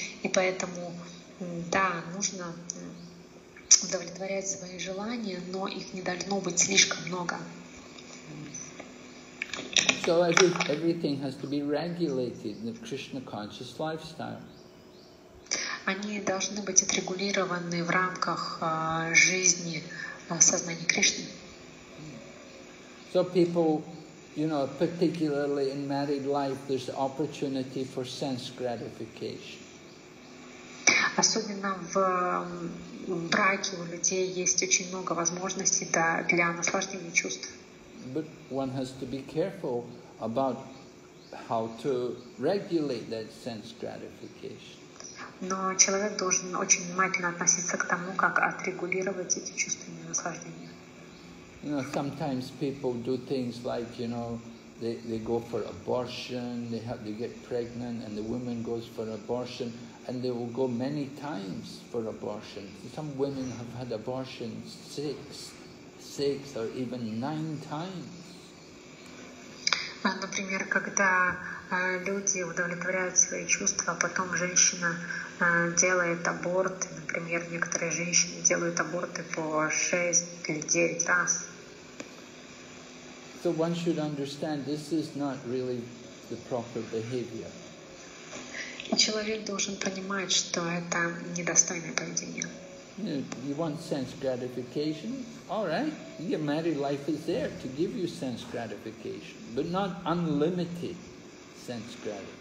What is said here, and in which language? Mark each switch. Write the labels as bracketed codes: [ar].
[ru] И поэтому, да, нужно удовлетворять свои желания, но их не должно быть слишком много. [en] So everything has to be regulated in the Krishna conscious lifestyle. [ru] Они должны быть отрегулированы в рамках жизни сознания Кришны. [en] So people, you know, particularly in married life, there's opportunity for sense gratification. [ru] Особенно в браке у людей есть очень много возможностей для наслаждения чувств. [en] But one has to be careful about how to regulate that sense gratification. [ru] Но человек должен очень внимательно относиться к тому, как отрегулировать эти чувственные наслаждения. [en] You know, sometimes people do things like, you know, they go for abortion, they get pregnant, and the woman goes for abortion, and they will go many times for abortion. Some women have had abortion six or even 9 times. [ru] Например, когда люди удовлетворяют свои чувства, а потом женщина делает аборт. Например, некоторые женщины делают аборты по 6 или 9 раз. [en] So one should understand this is not really the proper behavior. [ru] И человек должен понимать, что это недостойное поведение. [en] You want sense gratification? All right. Your married life is there to give you sense gratification, but not unlimited sense gratification.